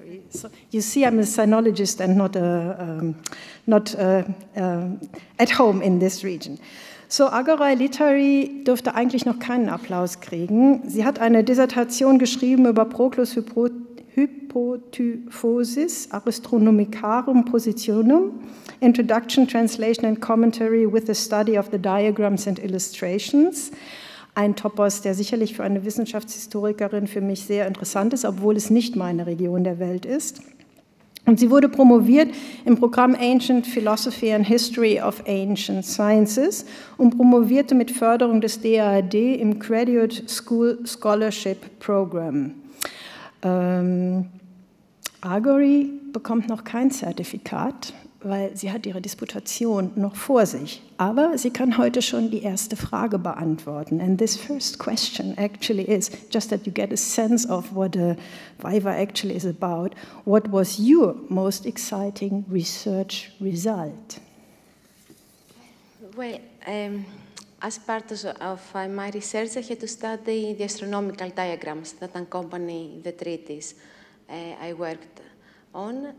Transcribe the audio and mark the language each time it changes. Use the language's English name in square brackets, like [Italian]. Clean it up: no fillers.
[English] So you see, I'm a sinologist and not a, at home in this region. [German] So Argoroy Litari dürfte eigentlich noch keinen Applaus kriegen. Sie hat eine Dissertation geschrieben über Proclus Hypotyphosis, Aristronomicarum Positionum, Introduction, Translation and Commentary with the Study of the Diagrams and Illustrations. Ein Topos, der sicherlich für eine Wissenschaftshistorikerin für mich sehr interessant ist, obwohl es nicht meine Region der Welt ist. Und sie wurde promoviert im Programm Ancient Philosophy and History of Ancient Sciences und promovierte mit Förderung des DAAD im Graduate School Scholarship Program. Argoroy bekommt noch kein Zertifikat, weil sie hat ihre Disputation noch vor sich. Aber sie kann heute schon die erste Frage beantworten. [English] And this first question actually is, just that you get a sense of what a Viva actually is about, what was your most exciting research result? Well, as part of my research, I had to study the astronomical diagrams that accompany the treatise I worked on.